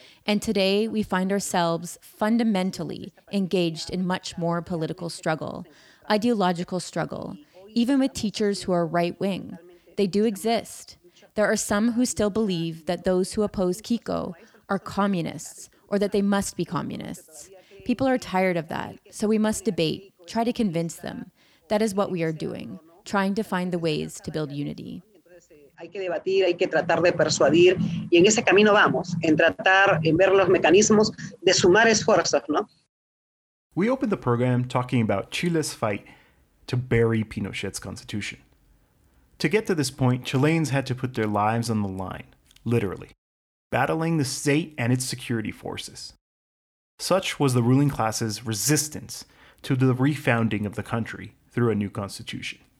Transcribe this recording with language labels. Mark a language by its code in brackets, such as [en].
[en] And today we find ourselves fundamentally engaged in much more political struggle, ideological struggle, even with teachers who are right wing. They do exist. There are some who still believe that those who oppose Kiko are communists, or that they must be communists. People are tired of that, so we must debate, try to convince them. That is what we are doing, trying to find the ways to build unity. [es] Hay que debatir, hay que tratar de persuadir, y en ese camino vamos, en tratar, en ver los mecanismos de sumar esfuerzos, ¿no? [en] We opened the program talking about Chile's fight to bury Pinochet's constitution. To get to this point, Chileans had to put their lives on the line, literally, battling the state and its security forces. Such was the ruling class's resistance to the refounding of the country through a new constitution.